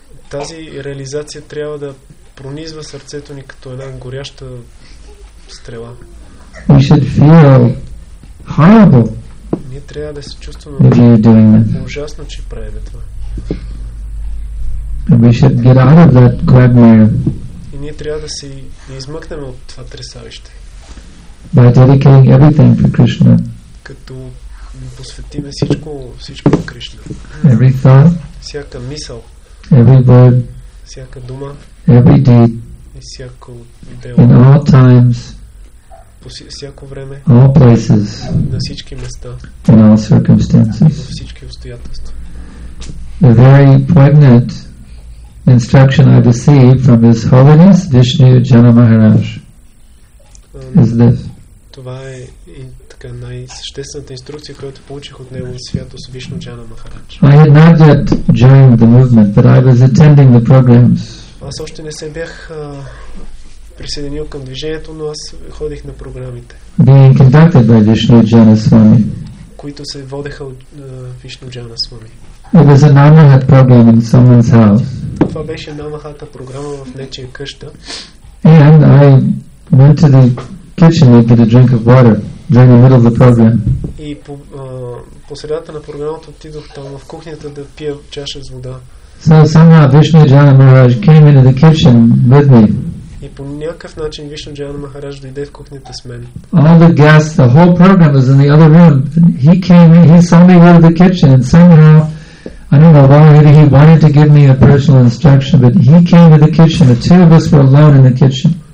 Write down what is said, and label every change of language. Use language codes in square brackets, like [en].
[bg] Тази реализация трябва да пронизва сърцето ни като една горяща стрела. [en] We should feel horrible. [bg] Ние трябва да се чувстваме ужасно, че правим това. [en] We should get out of that quagmire. [bg] И ние трябва да се измъкнем от това тресавище. [en] By dedicating everything for Krishna. [bg] Като посветиме всичко, всичко на Кришна. [en] Every thought. [bg] Всяка мисъл. [en] Every word, [bg] всяка дума, [en] every deed, [bg] всяко дело, [en] in all times, [bg] всяко време, [en] all places, [bg] на всички места, [en] in all circumstances. [bg] Във всички обстоятелства. [en] The very poignant instruction I received from His Holiness Vishnu Jana Maharaj is this. [bg] Това е така най-съществената инструкция, която получих от Негова Святост Вишну Джана Махарадж. [en] I had not yet joined the movement, but I was attending the programs. [bg] Аз още не се бях присъединил към движението, но аз ходих на програмите. [en] Being conducted by Vishnu Jana Swami. [bg] Които се водеха от Вишну Джана Свами. [en] It was a Намахат program in someone's house. [bg] Това беше Намахата програма в нечия къща. [en] And I went to the kitchen to get a drink of water during the middle of the program. [bg] И по средата на програмата отидох там в кухнята да пия чаша с вода. [en] So somehow Vishnu Jana Maharaj came into the kitchen with me. [bg] И по някакъв начин Вишну Джана Махарадж дойде в кухнята с мен. [en] All the guests, the whole program was in the other room. He came in, he saw me go to the kitchen, and somehow, I don't know why, maybe he wanted to give me a personal instruction, but he came to the kitchen. The two of us were alone in the kitchen.